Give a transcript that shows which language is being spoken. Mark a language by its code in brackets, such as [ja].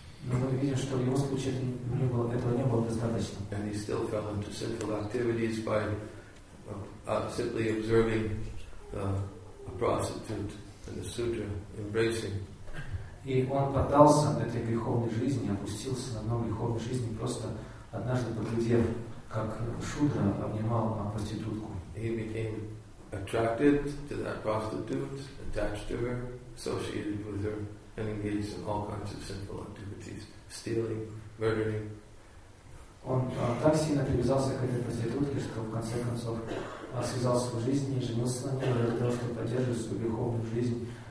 [ru] Но мы видим, что в его случае этого не было достаточно. [en] And he still fell into sinful activities by simply observing a prostitute and a sutra embracing. [ru] И он поддался этой греховной жизни, опустился на дно греховной жизни, просто однажды поглядев, как шудра обнимал проститутку. [en] He became attracted to that prostitute, attached to her, associated with her, and engaged in all kinds of sinful activities, stealing, murdering. [ru] Он так сильно привязался к этой проститутке, что в конце концов связал свою жизнь и женился на ней, для того, чтобы поддерживать свою греховную жизнь.